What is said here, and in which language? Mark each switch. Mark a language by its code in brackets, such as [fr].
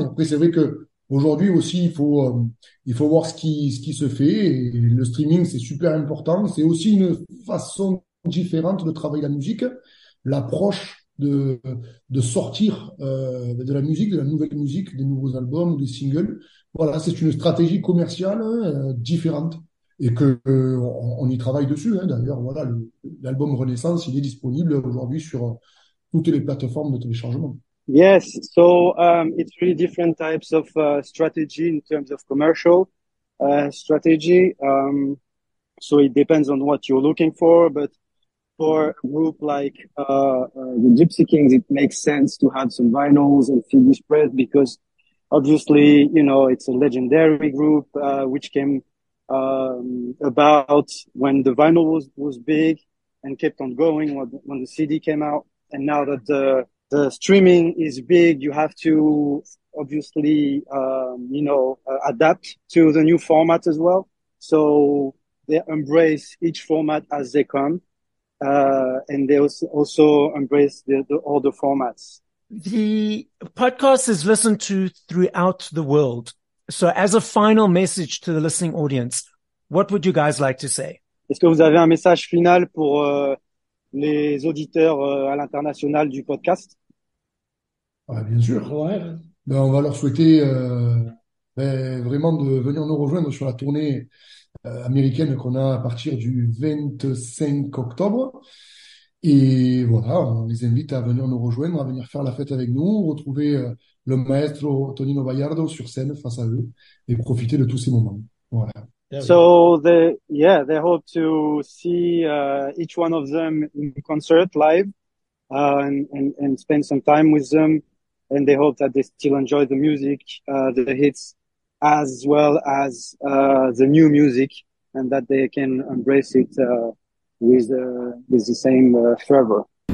[fr] Et après c'est vrai que aujourd'hui aussi il faut voir ce qui se fait, et le streaming c'est super important, c'est aussi une façon différente de travailler la musique, l'approche de sortir de la musique, de la nouvelle musique, des nouveaux albums, des singles. Voilà, c'est une stratégie commerciale différente et qu'on y travaille dessus. Hein. D'ailleurs, voilà, l'album Renaissance, il est disponible aujourd'hui sur toutes les plateformes de téléchargement. [en] Yes, so it's really different types of strategy in terms of commercial strategy. So it depends on what you're looking for, but for a group like the Gipsy Kings, it makes sense to have some vinyls and CD spread because obviously, it's a legendary group which came about when the vinyl was big and kept on going when the CD came out. And now that the streaming is big, you have to obviously, adapt to the new format as well. So they embrace each format as they come. And they also embrace all the formats. The podcast is listened to throughout the world. So as a final message to the listening audience, what would you guys like to say? [fr] Est-ce que vous avez un message final pour les auditeurs à l'international du podcast? Ouais, bien sûr. Ouais. Ben, on va leur souhaiter vraiment de venir nous rejoindre sur la tournée américaine qu'on a à partir du 25 octobre. Et voilà, on les invite à venir nous rejoindre, à venir faire la fête avec nous, retrouver le maestro Tonino Baliardo sur scène face à eux et profiter de tous ces moments. Voilà. [en] So they hope to see each one of them in concert live and spend some time with them and they hope that they still enjoy the music, the hits, as well as the new music, and that they can embrace it with the same fervor.